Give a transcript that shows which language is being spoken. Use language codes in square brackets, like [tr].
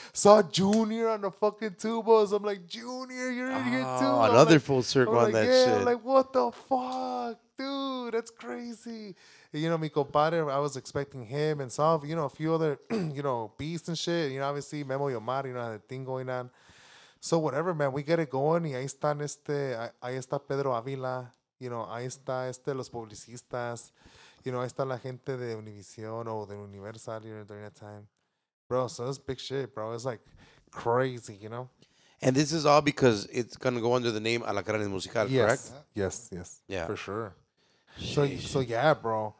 [en] Saw Junior on the fucking tubas. I'm like, Junior, you're in here too. Another, like, full circle on, like, that shit. I'm like, what the fuck? Dude, that's crazy. You know, mi compadre, I was expecting him and saw, you know, a few other, you know, beasts and shit. You know, obviously, Memo Yomar, you know, had a thing going on. So whatever, man, we get it going. [es] Y ahí están ahí está Pedro Avila. You know, ahí está los publicistas. [en] You know, [es] ahí está la gente de Univision o de Universal [en] during that time. Bro, so it's big shit, bro. It's like crazy, you know? And this is all because it's going to go under the name Alacranes Musical, yes. Correct? Yes, yes. Yeah. For sure. So yeah, bro.